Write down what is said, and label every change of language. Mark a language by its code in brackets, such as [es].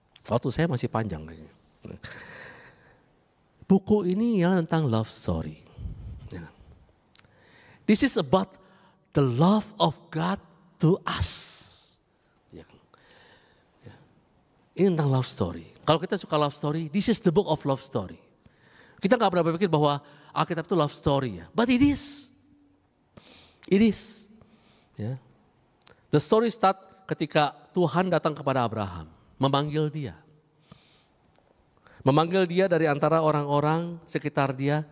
[id] Waktu saya masih panjang. Buku ini ialah tentang love story. [en] This is about the love of God to us. [id] Ini tentang love story. Kalau kita suka love story, [en] this is the book of love story. [id] Kita gak pernah berpikir bahwa Alkitab itu love story ya. [en] But it is. It is. Yeah. The story start [id] ketika Tuhan datang kepada Abraham. Memanggil dia. Memanggil dia dari antara orang-orang sekitar dia.